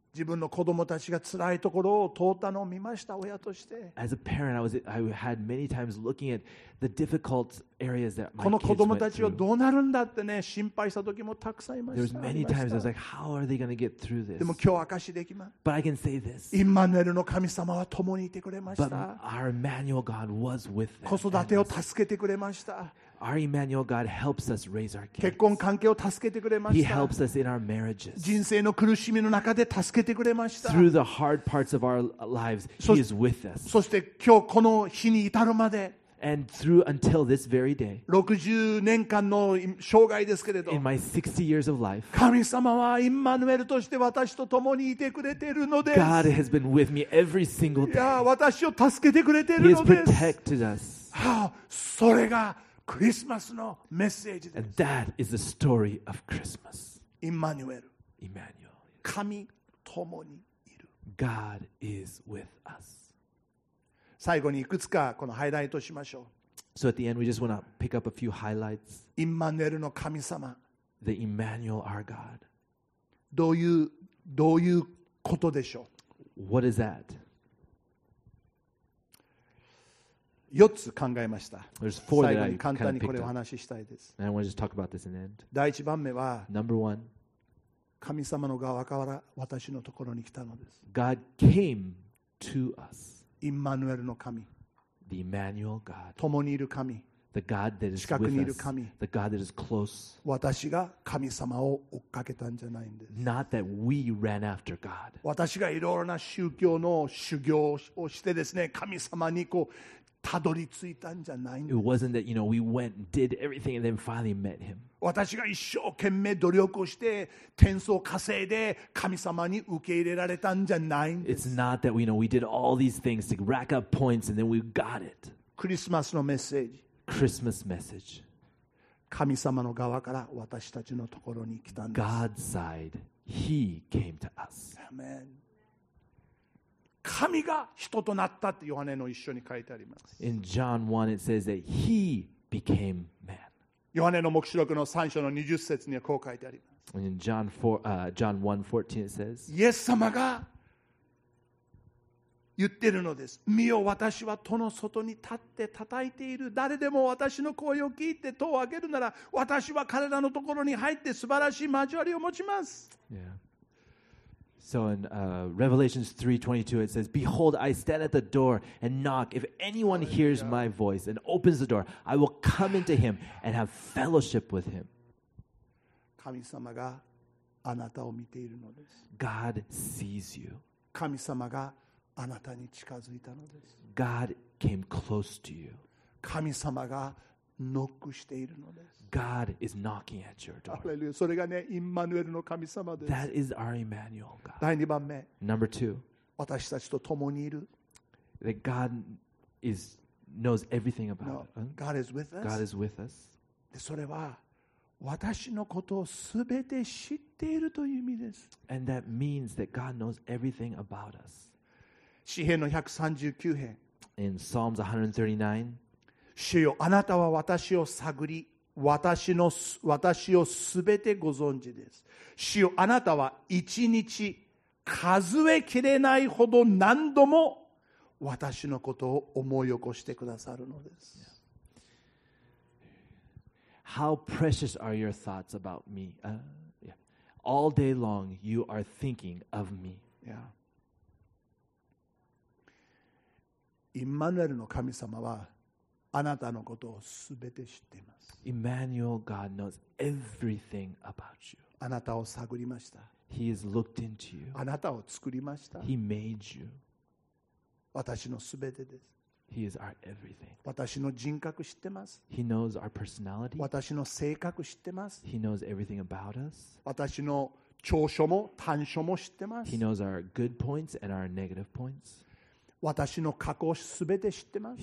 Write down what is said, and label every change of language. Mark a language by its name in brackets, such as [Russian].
[Japanese] 自分の子供たちが辛いところを通ったのを見ました、親として。 [English] As a parent, I had many times looking at the difficult areas that my kids went through. [Japanese] この子供たちはどうなるんだってね、心配した時もたくさんいました。 [English] There was many times I was like, how are they going to get through this? [Japanese] でも今日証しできます。 [English] But I can say this. [Japanese] インマヌエルの神様は共にいてくれました。 [English] But our Emmanuel God was with them. [Japanese] 子育てを助けてくれました。 [English] Our Emmanuel God helps us raise our kids. [Japanese] 結婚関係を助けてくれました。 [English] He helps us in our marriages. [Japanese] 人生の苦しみの中で助けてくれました。 [English] Through the hard parts of our lives, He is with us. [Japanese] そして今日この日に至るまで。 [English] And through until this very day. [Japanese] 60年間の生涯ですけれど。 [English] In my 60 years of life. [Japanese] 神様はイマヌエルとして私と共にいてくれているのです。 [English] God has been with me every single day. [Japanese] いや、私を助けてくれているのです。 [English] He has protected us. [Japanese] それがクリスマスのメッセージです。 [English] And that is the story of Christmas. Emmanuel. Emmanuel. [Japanese] 神ともにいる。 [English] God is with us. [Japanese] 最後にいくつかこのハイライトしましょう。 [English] So at the end, we just want to pick up a few highlights. [Japanese] Emmanuel の神様。 [English] The Emmanuel, our God. [Japanese] どういうことでしょう。 [English] What is that? [Japanese] 4つ考えました。 [English] There's four that I kind of picked up. [Japanese] 簡単にこれを話ししたいです。 [English] And I want to just talk about this in the end. [Japanese] 第一番目は、 [English] Number one, [Japanese] 神様の側から私のところに来たのです。 [English] God came to us. [Japanese] イマヌエルの神。 [English] The Emmanuel God. [Japanese] 共にいる神。 [English] The God that is with us. [Japanese] 近くにいる神。 [English] The God that is close. [Japanese] 私が神様を追っかけたんじゃないんです。 [English] Not that we ran after God. [Japanese] 私がいろいろな宗教の修行をしてですね、神様にこう、たどり着いたんじゃないんです。 [English] It wasn't that, you know, we went and did everything and then finally met him. [Japanese] 私が一生懸命努力をして点数を稼いで神様に受け入れられたんじゃないんです。 [English] It's not that, you know, we did all these things to rack up points and then we got it. [Japanese] クリスマスのメッセージ。 [English] Christmas message. [Japanese] 神様の側から私たちのところに来たんです。 [English] God's side, He came to us. Amen. [Japanese] 神が人となったってヨハネの一緒に書いてあります。 [English] In John 1, it says that he became man. [Japanese] ヨハネの黙示録の3章の20節にはこう書いてあります。 [English] In John 4, John 1, 14, it says, [Japanese] イエス様が言ってるのです。見よ、私は戸の外に立って叩いている。誰でも私の声を聞いて戸を開けるなら、私は彼らのところに入って素晴らしい交わりを持ちます。 [English] Yeah. So in Revelation 3:22 it says, Behold, I stand at the door and knock. If anyone hears my voice and opens the door, I will come into him and have fellowship with him. [Japanese] 神様があなたを見ているのです。 [English] God sees you. [Japanese] 神様があなたに近づいたのです。 [English] God came close to you. [Japanese] 神様がノックしているのです。 [English] God is knocking at your door. Hallelujah. [Japanese] それがね、イマヌエルの神様です。 [English] That is our Emmanuel God. [Japanese] 第二番目。 [English] Number two. [Japanese] 私たちと共にいる。 [English] That God is knows everything about. No. God is with us. God is with us. [Japanese] で、それは私のことをすべて知っているという意味です。 [English] And that means that God knows everything about us. [Japanese] 詩編の139編。 [English] In Psalms 139. [Japanese] 主よ、あなたは私を探り、私をすべてご存知です。主よ、あなたは一日数え切れないほど何度も私のことを思い起こしてくださるのです。 [English] Yeah. How precious are your thoughts about me? All day long you are thinking of me. Yeah. [Japanese] インマヌエルの神様は。あなたのことをすべて知っています。 [English] Emmanuel God knows everything about you. [Japanese] あなたを探りました。 [English] He has looked into you. [Japanese] あなたを作りました。 [English] He made you. [Japanese] 私のすべてです。 [English] He is our everything. [Japanese] 私の人格知ってます。 [English] He knows our personality. [Japanese] 私の性格知ってます。 [English] He knows everything about us. [Japanese] 私の長所も短所も知ってます。 [English] He knows our good points and our negative points. [Japanese] 私の過去をすべて知ってます。